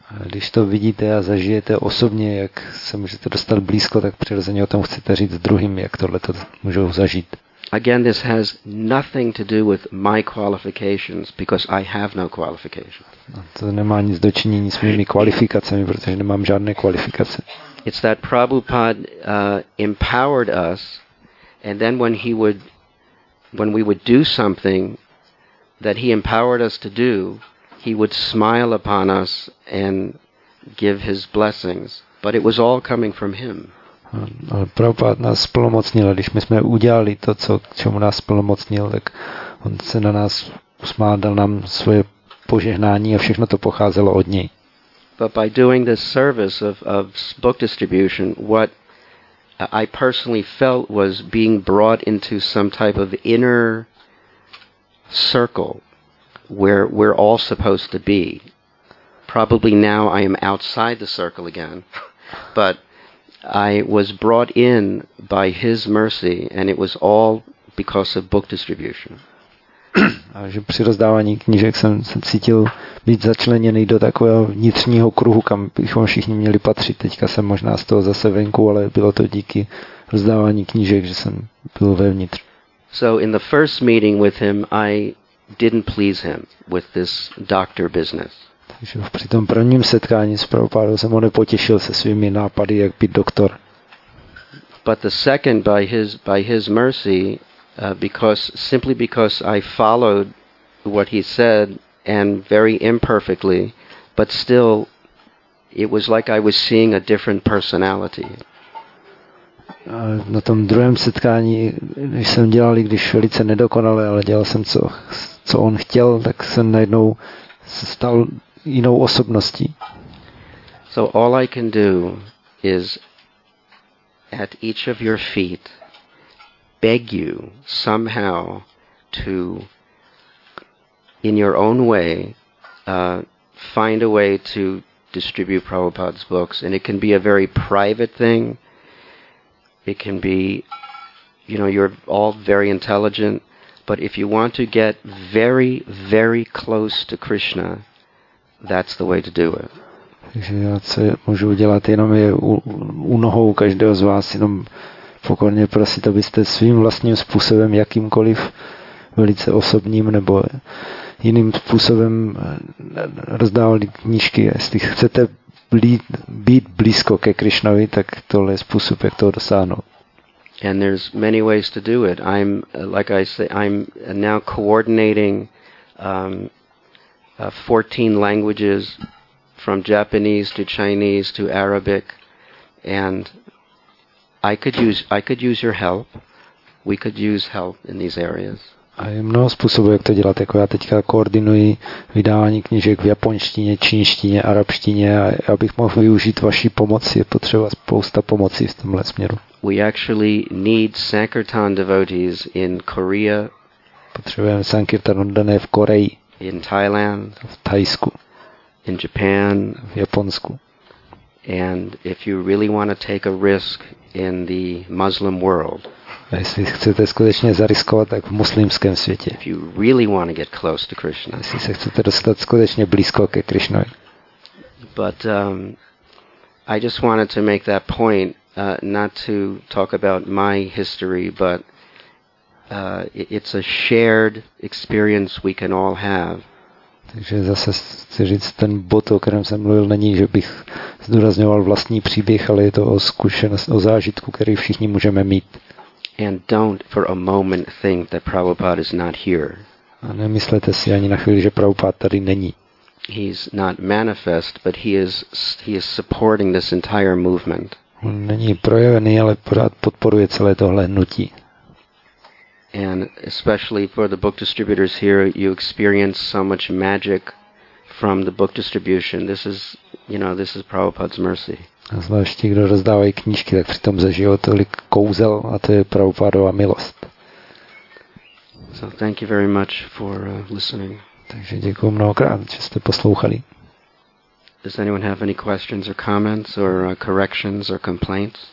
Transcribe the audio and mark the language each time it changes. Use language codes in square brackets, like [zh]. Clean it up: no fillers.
[cs] Když to vidíte a zažijete osobně, jak se můžete dostat blízko, tak přirozeně o tom chcete říct druhým, jak tohle to můžou zažít. [en] Again, this has nothing to do with my qualifications, because I have no qualifications. [cs] To nemá nic dočinění s mými kvalifikacemi, protože nemám žádné kvalifikace. [en] It's that Prabhupada empowered us, and then when we would do something that he empowered us to do, he would smile upon us and give his blessings. But it was all coming from him. [cs] Ale Prabhupád nás splnomocnil, když my jsme udělali to, co, k čemu nás splnomocnil, tak on se na nás usmál, dal nám svoje požehnání a všechno to pocházelo od něj. [en] But by doing this service of book distribution, what I personally felt was being brought into some type of inner circle where we're all supposed to be. Probably now I am outside the circle again, but I was brought in by his mercy, and it was all because of book distribution. [cs] A že při rozdávání knížek jsem se cítil být začleněný do takového vnitřního kruhu, kam bychom všichni měli patřit. Teďka jsem možná z toho zase venku, ale bylo to díky rozdávání knížek, že jsem byl vevnitř. [en] So in the first meeting with him, I didn't please him with this doctor business. [cs] Takže při tom prvním setkání s Prabhupádou jsem ho nepotěšil se svými nápady, jak být doktor. [en] But the second, by his mercy, because I followed what he said, and very imperfectly, but still, it was like I was seeing a different personality. [cs] Na tom druhém setkání, když jsem dělal, i když velice nedokonale, ale dělal jsem, co on chtěl, tak jsem najednou se stal jinou osobností. [en] So all I can do is at each of your feet beg you somehow to, in your own way, find a way to distribute Prabhupada's books. And it can be a very private thing. It can be, you know, you're all very intelligent, but if you want to get very, very close to Krishna, that's the way to do it. [cs] Takže já co můžu udělat, jenom je u nohou každého z vás, jenom pokorně prosit, abyste svým vlastním způsobem, jakýmkoliv velice osobním nebo jiným způsobem rozdávali knížky. Jestli chcete být blízko ke Krišnovi, tak tohle je způsob, jak toho dosáhnout. [en] And there's many ways to do it. I'm, like I say, I'm now coordinating 14 languages, from Japanese to Chinese to Arabic, and I could use your help. We could use help in these areas. [cs] A je mnoho způsobů, jak to dělat. Jako já teďka koordinuji vydávání knížek v japonštině, čínštině, arabštině a já bych mohl využít vaší pomoci. Je potřeba spousta pomoci v tomhle směru. [en] We actually need Sankirtan devotees in Korea. [cs] Potřebujeme Sankirtan oddané v Koreji. [en] In Thailand. [cs] V Thajsku. [en] In Japan. [cs] V Japonsku. [en] And if you really want to take a risk in the Muslim world. [cs] A jestli chcete skutečně zariskovat, tak v muslimském světě. [en] If you really want to get close to Krishna. [cs] Jestli se chcete dostat skutečně blízko ke Krishnovi. [en] But I just wanted to make that point, not to talk about my history, but it's a shared experience we can all have. [cs] Takže zase chci říct, ten bod, o kterém jsem mluvil, není, že bych zdůrazňoval vlastní příběh, ale je to o zkušenost, o zážitku, který všichni můžeme mít. [en] And don't for a moment think that Prabhupada is not here. [cs] A nemyslete si ani na chvíli, že Prabhupada tady není. [en] He's not manifest, but he is supporting this entire movement. [cs] On není projevený, ale pořád podporuje celé tohle hnutí. [en] And especially for the book distributors here, you experience so much magic from the book distribution. This is Prabhupada's mercy. [cs] A zvláště, kdo rozdávají knížky, tak přitom zažijou tolik kouzel, a to je Prabhupádova milost. [en] So thank you very much for listening. [cs] Takže děkuju mnohokrát, že jste poslouchali. [en] Does anyone have any questions or comments or corrections or complaints?